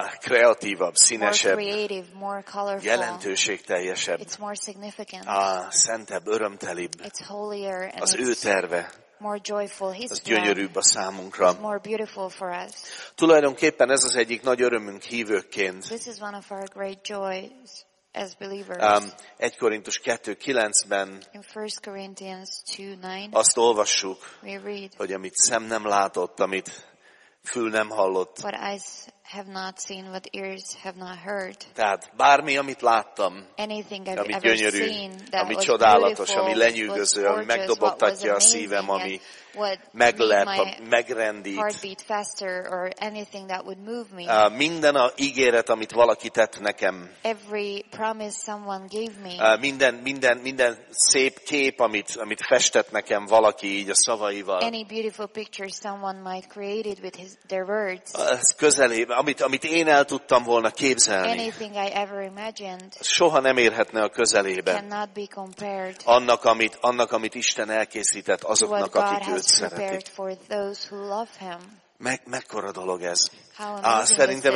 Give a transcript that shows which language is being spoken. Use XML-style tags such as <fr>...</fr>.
<hu>kreatívabb, színesebb,</hu> <en>more creative, more colorful,</en> <hu>jelentőségteljesebb,</hu> <en>it's more significant,</en> <hu>szentebb, örömtelibb,</hu> <en>it's holier, and</en> <hu>az ő terve,</hu> <en>more joyful, his</en> <hu>az gyönyörűbb a számunkra.</hu> <en>It's more beautiful for us.</en> <hu>Tulajdonképpen ez az egyik nagy örömünk hívőként.</hu> <en>This is one of our great joys as believers.</en> <hu>1 Korintus 2:9-ben</hu> <en>in 1 Corinthians 2:9,</en> <hu>azt olvassuk,</hu> <en>we read,</en> <hu>hogy amit szem nem látott, amit fül nem hallott,</hu> <en>what eyes have not seen, what ears have not heard.</en> <hu>Tehát bármi, amit láttam,</hu> <en>anything I've</en> <hu>ami</hu> <en>ever</en> <hu>gyönyörű,</hu> <en>seen, that</en> <hu>ami</hu> <en>was</en> <hu>csodálatos,</hu> <en>beautiful,</en> <hu>ami lenyűgöző,</hu> <en>gorgeous,</en> <hu>ami megdobogtatja a szívem, ami meglep, megrendít.</hu> <en>Heartbeat faster or anything that would move me.</en> <hu>Minden a ígéret, amit valaki tett nekem.</hu> <en>Every promise someone gave me.</en> <hu>Minden szép kép, amit festett nekem valaki így a szavaival.</hu> <en>Any beautiful picture someone might created with their words.</en> <hu>Amit én el tudtam volna képzelni.</hu> <en>Anything I ever imagined.</en> <hu>Soha nem érhetne a közelébe.</hu> <en>Cannot be compared.</en> <hu>Annak amit Isten elkészített azoknak, akik őt</hu> <en>prepared for those who love him.</en> <hu>Mekkora dolog ez? Szerintem</hu>